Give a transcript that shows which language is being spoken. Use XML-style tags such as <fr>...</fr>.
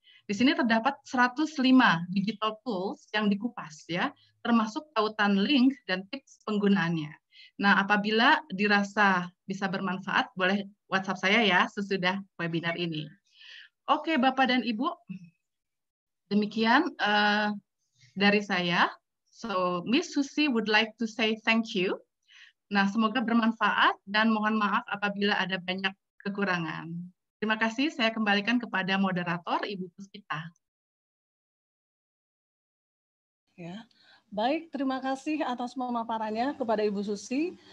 <id>Di sini terdapat 105 digital tools yang dikupas ya, termasuk tautan link dan tips penggunaannya. Nah, apabila dirasa bisa bermanfaat, boleh WhatsApp saya ya sesudah webinar ini. Oke, Bapak dan Ibu, demikian dari saya.</id> <en>So, Miss Susi would like to say thank you.</en> <id>Nah, semoga bermanfaat dan mohon maaf apabila ada banyak kekurangan. Terima kasih, saya kembalikan kepada moderator Ibu Puspita. Ya. Baik, terima kasih atas pemaparannya kepada Ibu Susi.</id>